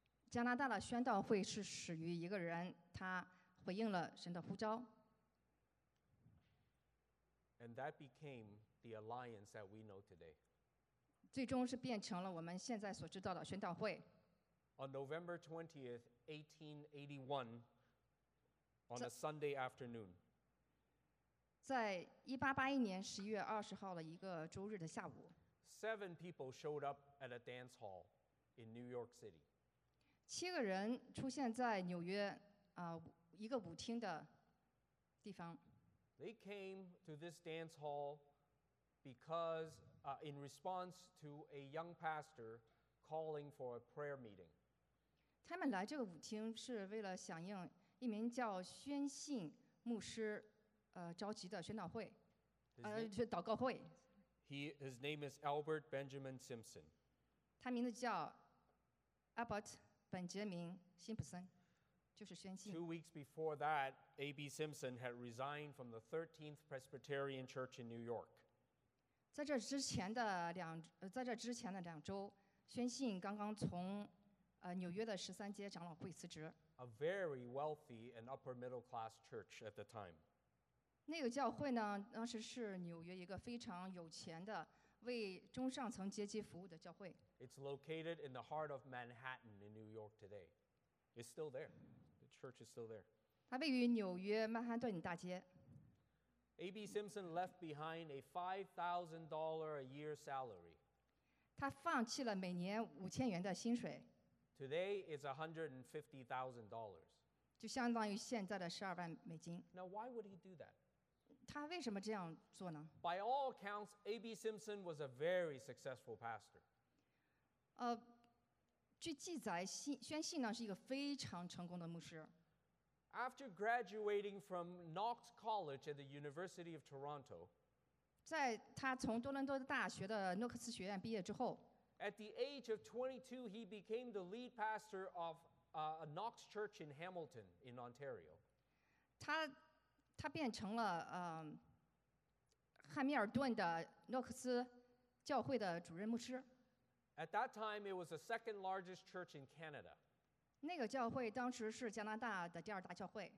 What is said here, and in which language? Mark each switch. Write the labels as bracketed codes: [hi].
[zh] 加拿大的宣道会是始于一个人，他回应了神的呼召。 [en] And that became the alliance that we know today. [zh] 最终是变成了我们现在所知道的宣道会。 [en] On November 20th, 1881, on a Sunday afternoon. [zh] 在1881年11月20号的一个周日的下午， [en] 7 people showed up at a dance hall in New York City. [zh] 七个人出现在纽约一个舞厅的地方。 [en] They came to this dance hall because in response to a young pastor calling for a prayer meeting. [zh] 他们来这个舞厅是为了响应一名叫宣信牧师召集的宣道会，祷告会。 [en] His name is Albert Benjamin Simpson. [zh] 他名字叫 Albert 本杰明辛普森，就是宣信。 [en] 2 weeks before that, A.B. Simpson had resigned from the 13th Presbyterian Church in New York. [zh] 在这之前的两周，宣信刚刚从纽约的十三街长老会辞职。 [en] A very wealthy and upper middle class church at the time. [zh] 那个教会呢，当时是纽约一个非常有钱的为中上层阶级服务的教会。 [en] It's located in the heart of Manhattan in New York today. It's still there. The church is still there. [zh] 它位于纽约曼哈顿大街。 [en] A.B. Simpson left behind a $5,000 a year salary. [zh] 他放弃了每年5000元的薪水。 [en] Today it's $150,000. [zh] 就相当于现在的12万美金。 [en] Now why would he do that? [zh] 他为什么这样做呢？ [en] By all accounts, A.B. Simpson was a very successful pastor. [zh] 据记载，宣信呢是一个非常成功的牧师。 [en] After graduating from Knox College at the University of Toronto, [zh] 在他从多伦多大学的诺克斯学院毕业之后， [en] At the age of 22, he became the lead pastor of a Knox Church in Hamilton in Ontario. [zh] 他变成了汉密尔顿的诺克斯教会的主任牧师。 [en] At that time, it was the second largest church in Canada. [zh] 那个教会当时是加拿大的第二大教会。